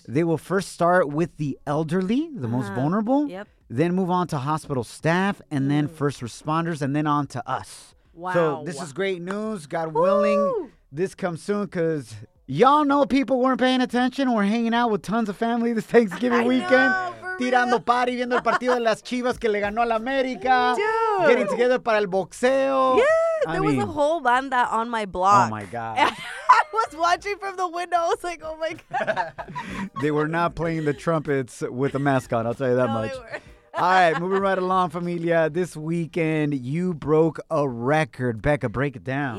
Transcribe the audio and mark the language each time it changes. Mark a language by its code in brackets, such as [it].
[en] They will first start with the elderly, the most vulnerable. Yep. Then move on to hospital staff, and then first responders, and then on to us. Wow. So this is great news. God willing, this comes soon, because y'all know people weren't paying attention. We're hanging out with tons of family this Thanksgiving weekend. [es] Tirando party, viendo el partido de las Chivas que le ganó a la América. [en] Dude. Getting together [es] para el boxeo. [en] Yeah, there was a whole banda on my block. Oh, my God. Was watching from the window. I was like, oh my God. They were not playing the trumpets with a mask on, I'll tell you that much. All right, moving right along, familia. This weekend, you broke a record. Becca, break it down.